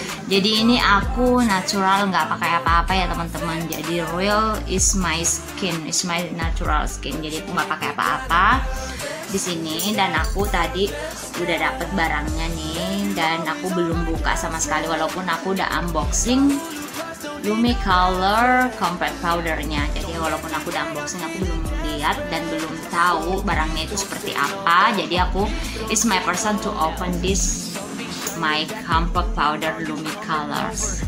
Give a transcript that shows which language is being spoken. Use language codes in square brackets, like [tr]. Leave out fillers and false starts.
[id] Jadi ini aku natural, nggak pakai apa-apa ya teman-teman. [en] Jadi real is my skin, is my natural skin. [id] Jadi aku nggak pakai apa-apa di sini. Dan aku tadi udah dapet barangnya nih, dan aku belum buka sama sekali walaupun aku udah unboxing Lumi Color Compact Powdernya. Jadi walaupun aku udah unboxing, aku belum lihat dan belum tahu barangnya itu seperti apa. Jadi aku, [en] it's my person to open this my compact powder Lumi Colors.